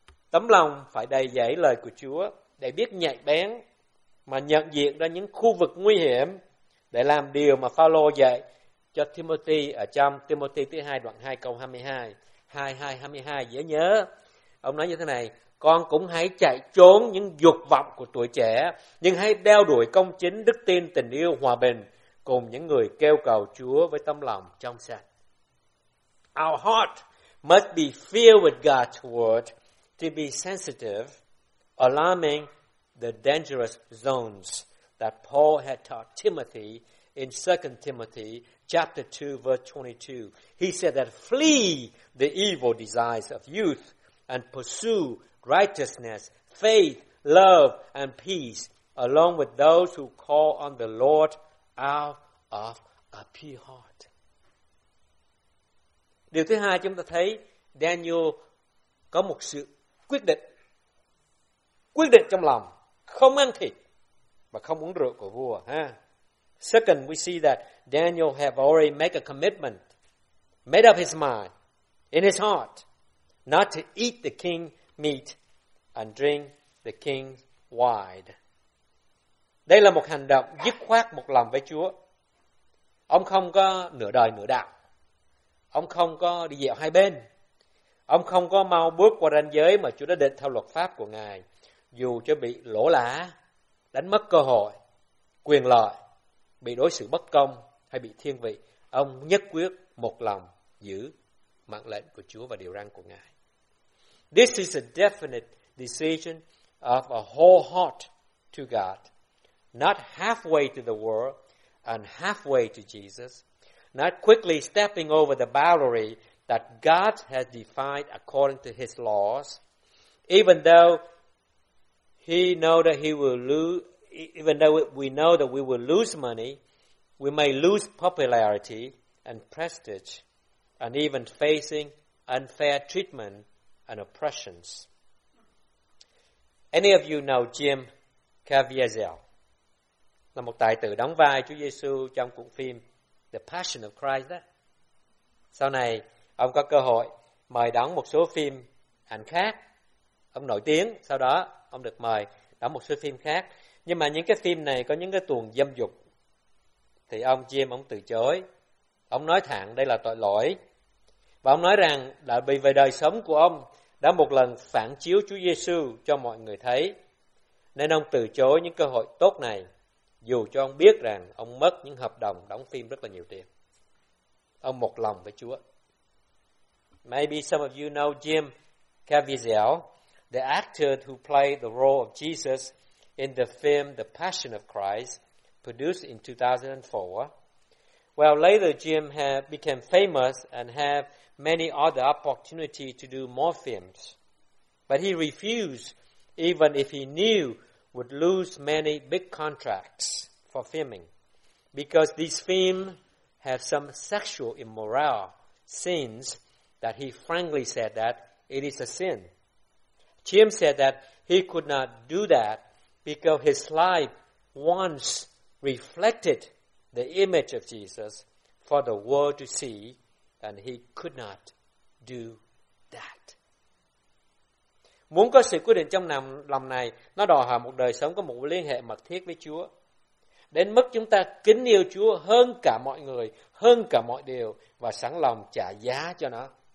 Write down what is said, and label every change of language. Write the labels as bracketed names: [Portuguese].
[Vietnamese] Tấm lòng phải đầy dẫy lời của Chúa để biết nhạy bén mà nhận diện ra những khu vực nguy hiểm để làm điều mà Phaolô dạy cho Timothy ở trong Timothy thứ 2 đoạn 2 câu 22. 22-22 dễ nhớ. Ông nói như thế này, con cũng hãy chạy trốn những dục vọng của tuổi trẻ, nhưng hãy đeo đuổi công chính, đức tin, tình yêu, hòa bình cùng những người kêu cầu Chúa với tấm lòng trong sạch. [English] Our heart must be filled with God's word to be sensitive, alarming the dangerous zones that Paul had taught Timothy in 2 Timothy chapter 2, verse 22. He said that flee the evil desires of youth and pursue righteousness, faith, love, and peace along with those who call on the Lord out of a pure heart. [Vietnamese] Điều thứ hai chúng ta thấy Daniel có một sự quyết định. Quyết định trong lòng, không ăn thịt và không uống rượu của vua. [English] Second, we see that Daniel have already made a commitment, made up his mind, in his heart, not to eat the king's meat and drink the king's wine. [Vietnamese] Đây là một hành động dứt khoát một lòng với Chúa. Ông không có nửa đời nửa đạo. Ông không có đi dạo hai bên. Ông không có mau bước qua ranh giới mà Chúa đã định theo luật pháp của Ngài, dù cho bị lỗ lã, đánh mất cơ hội, quyền lợi, bị đối xử bất công hay bị thiên vị. Ông nhất quyết một lòng giữ mạng lệnh của Chúa và điều răn của Ngài. [English] This is a definite decision of a whole heart to God, not halfway to the world and halfway to Jesus, not quickly stepping over the boundary that God has defined according to his laws, even though he know that he will lose, even though we know that we will lose money, we may lose popularity and prestige, and even facing unfair treatment and oppressions. Any of you know Jim Caviezel? [Vietnamese] Là một tài tử đóng vai Chúa Giêsu trong cuộn phim The Passion of Christ. Đó. Sau này, ông có cơ hội mời đóng một số phim ảnh khác. Ông nổi tiếng, sau đó ông được mời đóng một số phim khác. Nhưng mà những cái phim này có những cái tuồng dâm dục, thì ông Jim ông từ chối. Ông nói thẳng đây là tội lỗi. Và ông nói rằng là vì về đời sống của ông đã một lần phản chiếu Chúa Giêsu cho mọi người thấy, nên ông từ chối những cơ hội tốt này, dù cho ông biết rằng ông mất những hợp đồng đóng phim rất là nhiều tiền. Ông một lòng với Chúa. [English] Maybe some of you know Jim Caviezel, the actor who played the role of Jesus in the film The Passion of Christ, produced in 2004. Well, later Jim became famous and have many other opportunities to do more films. But he refused, even if he knew would lose many big contracts for filming, because these films have some sexual immoral scenes that he frankly said that it is a sin. Jim said that he could not do that because his life once reflected the image of Jesus for the world to see, and he could not do that. [Vietnamese] Muốn có sự quyết định trong lòng này, nó đòi hỏi một đời sống có một liên hệ mật thiết với Chúa. Đến mức chúng ta kính yêu Chúa hơn cả mọi người, hơn cả mọi điều, và sẵn lòng trả giá cho nó.